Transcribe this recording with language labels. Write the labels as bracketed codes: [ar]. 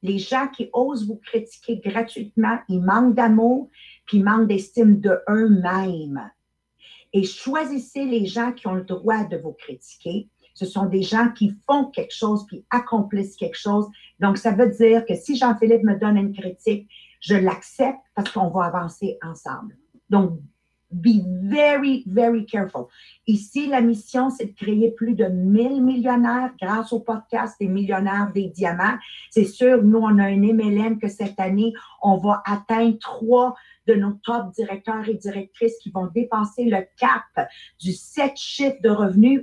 [fr] Les gens qui osent vous critiquer gratuitement, ils manquent d'amour puis manquent d'estime de eux-mêmes. Et choisissez les gens qui ont le droit de vous critiquer. Ce sont des gens qui font quelque chose puis accomplissent quelque chose. Donc, ça veut dire que si Jean-Philippe me donne une critique, je l'accepte parce qu'on va avancer ensemble. [en] Donc, be very, very careful. [fr] Ici, la mission, c'est de créer plus de 1000 millionnaires grâce au podcast des millionnaires des diamants. C'est sûr, nous, on a un MLM que cette année, on va atteindre 3 de nos top directeurs et directrices qui vont dépasser le cap du 7 chiffres de revenus.